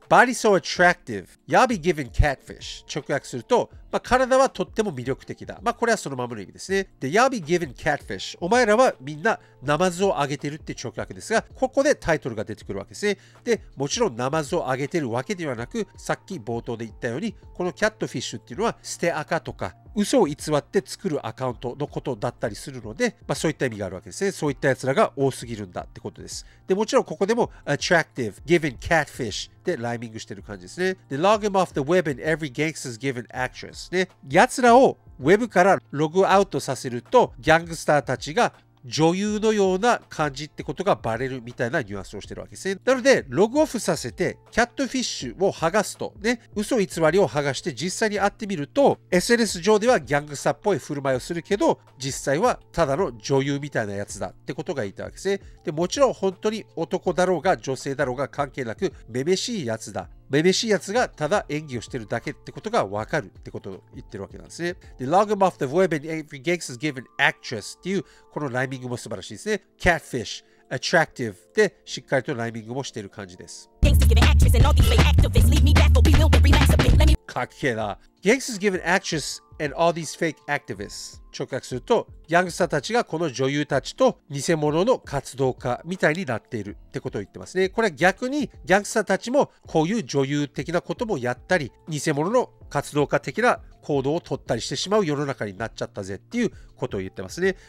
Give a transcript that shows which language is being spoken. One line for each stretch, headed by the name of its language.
English: Body so attractive, y'all be giving catfish.
Japanese: 直訳すると、まあ、体はとっても魅力的だ。まあ、これはそのままの意味ですね。
English: で、y'all be giving catfish。
Japanese: お前らはみんなナマズをあげてるって直訳ですが、ここでタイトルが出てくるわけですね。で、もちろんナマズをあげてるわけではなく、さっき冒頭で言ったように、このキャットフィッシュっていうのは捨て垢とか、嘘を偽って作るアカウントのことだったりするので、まあ、そういった意味があるわけですね。そういったやつらが多すぎるんだってことです。で、もちろんここでも
English: attractive, given catfish
Japanese: でライミングしてる感じですね。
English: で、log him off the web and every gangster's given actress ね。
Japanese: やつらをウェブからログアウトさせると、ギャングスターたちが女優のような感じってことがバレるみたいなニュアンスをしてるわけですね。なのでログオフさせてキャットフィッシュを剥がすとね、嘘偽りを剥がして実際に会ってみると、 SNS 上ではギャングスターっぽい振る舞いをするけど、実際はただの女優みたいなやつだってことが言いたいわけですね。でもちろん本当に男だろうが女性だろうが関係なく、めめしいやつだ、めめしいやつがただ演技をしてるだけってことがわかるってことを言ってるわけなんですね。で、
English: log him off the web and every gangster's given actress
Japanese: っていうこのライミングも素晴らしいですね。 catfish, attractive でしっかりとライミングもしてる感じです。かっけえな。
English: gangster's given actress and all these fake activists。
Japanese: 直訳すると、ヤングスターたちがこの女優たちと偽物の活動家みたいになっているってことを言ってますね。これは逆にヤングスターたちもこういう女優的なこともやったり、偽物の活動家的な行動を取ったりしてしまう世の中になっちゃったぜっていうことを言ってますね。